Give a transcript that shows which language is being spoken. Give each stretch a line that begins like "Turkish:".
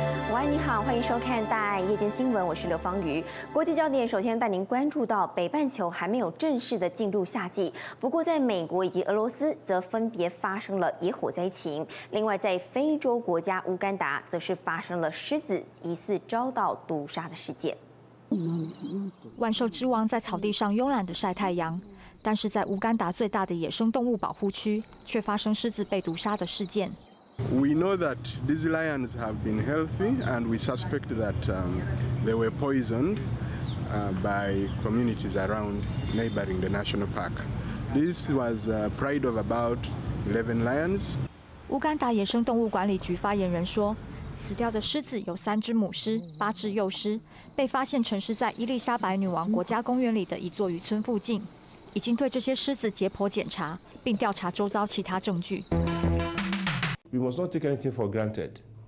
Chinese: 嗨，你好，欢迎收看大爱夜间新闻，我是刘芳瑜。国际焦点首先带您关注到北半球还没有正式的进入夏季，不过在美国以及俄罗斯则分别发生了野火灾情，另外在非洲国家乌干达则是发生了狮子疑似遭到毒杀的事件。万兽之王在草地上慵懒地晒太阳，但是在乌干达最大的野生动物保护区却发生狮子被毒杀的事件。
English: We know that these lions have been healthy, and we suspect that they were poisoned by communities around neighboring the national park. This was a pride of about 11 lions.
Chinese: 乌干达野生动物管理局发言人说，死掉的狮子有三只母狮、八只幼狮，被发现沉尸在伊丽莎白女王国家公园里的一座渔村附近，已经对这些狮子解剖检查，并调查周遭其他证据。
English: We must not take anything for granted.